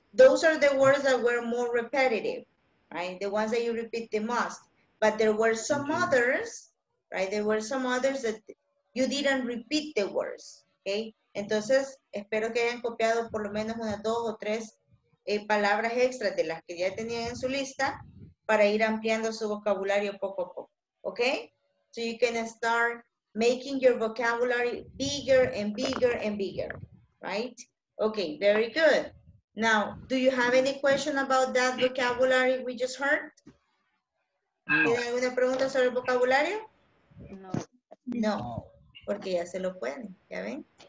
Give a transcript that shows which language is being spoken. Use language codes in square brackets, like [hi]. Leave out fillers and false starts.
[en] Those are the words that were more repetitive, right? The ones that you repeat the most. But there were some others, right? There were some others that you didn't repeat the words, okay? [es] Entonces, espero que hayan copiado por lo menos unas dos o tres palabras extras de las que ya tenían en su lista para ir ampliando su vocabulario poco a poco, okay? [en] So you can start making your vocabulary bigger and bigger and bigger. Right? Okay, very good. Now, do you have any question about that vocabulary we just heard? [es] ¿Tiene alguna pregunta sobre el vocabulario? No. No, porque ya se lo pueden, ¿ya ven?